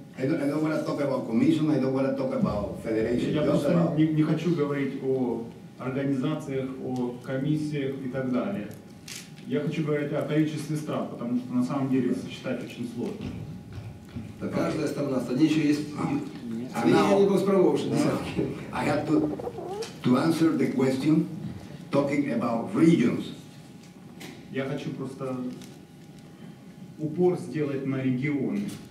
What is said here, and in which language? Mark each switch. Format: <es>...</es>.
<en>I don't want to talk about commission, I don't want to talk about federation.</en> <ru>Я просто не хочу говорить о организациях, о комиссиях и так далее. Я хочу говорить о количестве стран, потому что на самом деле сосчитать очень сложно. Да каждая страна, они еще есть. А не госпромоушен.</ru> <en>I have to answer the question talking about regions.</en> <ru>Я хочу просто упор сделать на регионы.</ru>